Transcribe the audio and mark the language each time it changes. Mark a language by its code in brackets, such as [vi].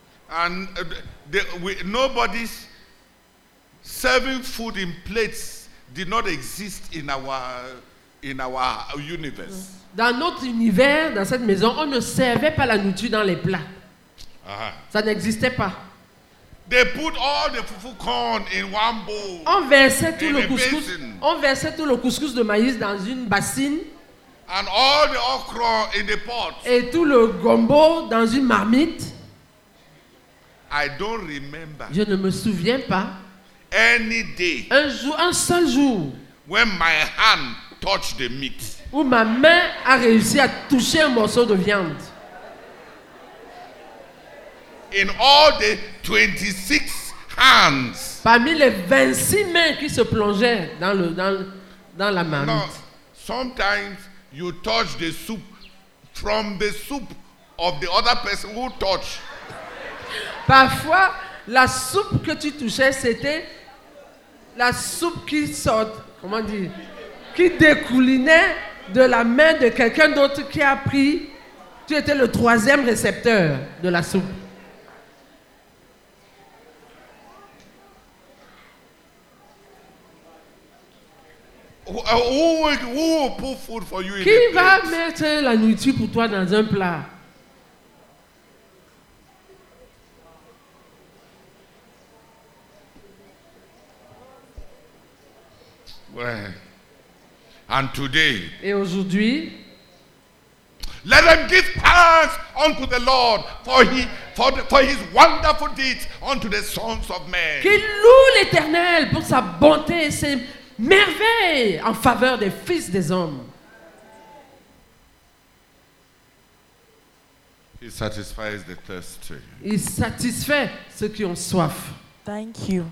[en] And nobody serving food in plates did not exist in our universe. [fr] Dans notre univers, dans cette maison, on ne servait pas la nourriture dans les plats. Ah. Ça n'existait pas. [en] They put all the fufu corn in one bowl. [fr] On versait tout le couscous. On versait tout le couscous de maïs dans une bassine. [en] And all the okra in the pot. [fr] Et tout le gombo dans une marmite. [en] I don't remember. [fr] Je ne me souviens pas. [en] Any day. [fr] Un seul jour. [en] When my hand touched the meat. [fr] Où ma main a réussi à toucher un morceau de viande. [en] In all the 26 hands. [fr] Parmi les 26 mains qui se plongeaient dans la marmite. [en] Now, sometimes you touch the soup from the soup of the other person who touched. [fr] Parfois, la soupe que tu touchais, c'était la soupe qui sort, comment dire, qui découlinait de la main de quelqu'un d'autre qui a pris. Tu étais le troisième récepteur de la soupe. [en] Who will put food for you in [fr] qui va mettre la nourriture pour toi dans un plat? [en] And today, [fr] et aujourd'hui, [en] let them give thanks unto the Lord for his wonderful deeds unto the sons of men. [fr] Qu'il loue l'Éternel pour sa bonté et ses merveilles en faveur des fils des hommes. [en] He satisfies the thirsty. [fr] Il satisfait ceux qui ont soif. [en] Thank you.